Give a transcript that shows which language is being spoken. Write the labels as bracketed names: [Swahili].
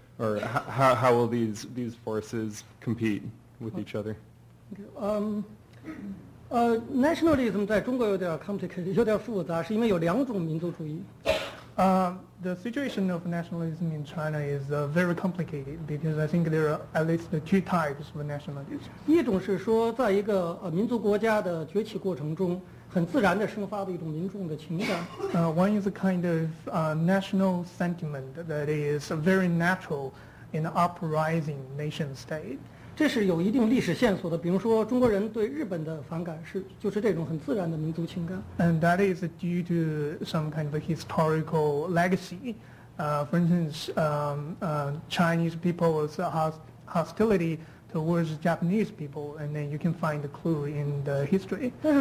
[English] Or how will these forces compete with each other? Nationalism [Chinese] 在中国有点 [English] complicated, [Chinese] 有点复杂, 是因为有两种民族主义。 [English] The situation of nationalism in China is very complicated because I think there are at least two types of nationalism. [Chinese] 一种是说在一个 民族国家的崛起过程中, 很自然地生发的一种民众的情感。 [English] One is a kind of national sentiment that is very natural in an uprising nation state. [Chinese] 这是有一定历史线索的，比如说中国人对日本的反感是，就是这种很自然的民族情感。 [English] And that is due to some kind of a historical legacy. For instance, Chinese people's hostility towards Japanese people, and then you can find the clue in the history.